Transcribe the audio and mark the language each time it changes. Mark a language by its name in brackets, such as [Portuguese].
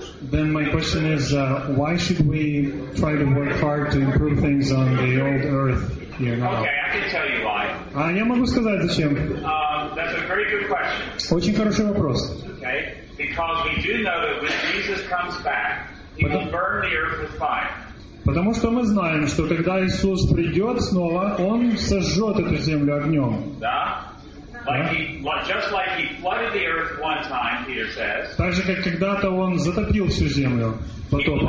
[English] Then my question is, why should we try to work hard to improve things on the old earth here now? Okay, I can tell you why. [Russian] Я могу сказать зачем. [English] That's a very good question. [Russian] Очень хороший вопрос. [English] Okay, because we do know that when Jesus comes back, he will burn the earth with fire. [Russian] Потому что мы знаем, что когда Иисус придет снова, он сожжет эту землю огнем. Да. [English] Like he flooded the earth one time, Peter says. [Russian] Так же, как когда-то он затопил всю землю потопом.